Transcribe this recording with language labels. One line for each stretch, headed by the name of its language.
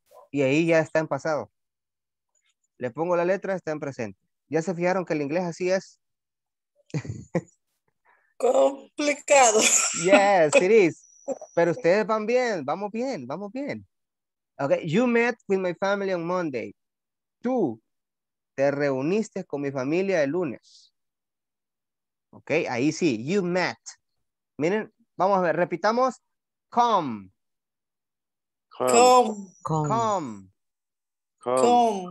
Spanish: Y ahí ya está en pasado. Le pongo la letra, está en presente. ¿Ya se fijaron que el inglés así es? Complicado.
English: Yes, it is.
Spanish: Pero ustedes van bien, vamos bien, vamos bien.
English: Okay, you met with my family on Monday.
Spanish: Tú te reuniste con mi familia el lunes. Okay, ahí sí,
English: you met.
Spanish: Miren, vamos a ver, repitamos. Come.
English: Come. Come. Come. Come.